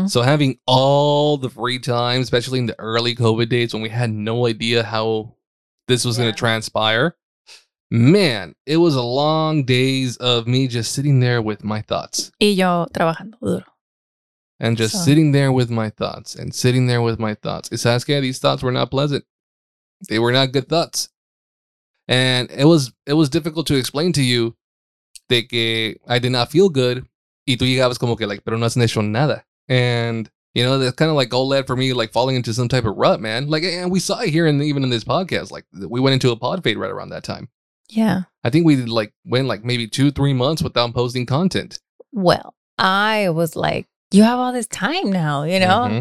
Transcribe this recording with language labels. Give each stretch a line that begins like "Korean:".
English: So having all the free time, especially in the early COVID days when we had no idea how this was going to transpire, man, it was a long days of me just sitting there with my thoughts.
Spanish: Y yo trabajando duro.
English: And just sitting there with my thoughts and sitting there with my thoughts.
Spanish: Y sabes que
English: these thoughts were not pleasant. They were not good thoughts. And it was difficult to explain to you
Spanish: de que
English: I did not feel good.
Spanish: Y tú llegabas como que like, pero no has hecho nada.
English: And, you know, that's kind of like all led for me like falling into some type of rut, man. Like, and we saw it here even in this podcast. Like, we went into a pod fade right around that time. Yeah. I think we like went like maybe 2-3 months without posting content. Well, I was like, you have all this time now, you know? Mm-hmm.